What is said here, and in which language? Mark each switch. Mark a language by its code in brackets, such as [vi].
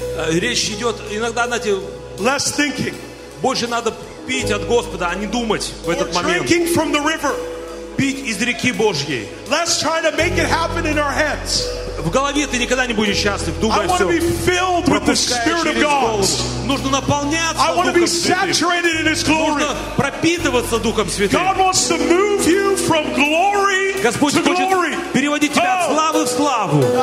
[ru] Речь идет иногда, знаете, [en] less thinking. [ru] Больше надо пить от Господа, а не думать в этот момент. [en] Drinking from the river. [ru] Пить из реки Божьей. [en] Less trying to make it happen in our heads. [ru] В голове ты никогда не будешь счастлив. Думай [en] все. I want to be filled with the Spirit of God. [ru] Нужно наполняться Духом Святым. [en] I want to be saturated in His glory. [ru] Нужно пропитываться Духом Святым. [en] God wants to move you from glory [ru] Господь [en] to glory. [ru] Хочет переводить тебя от славы в славу.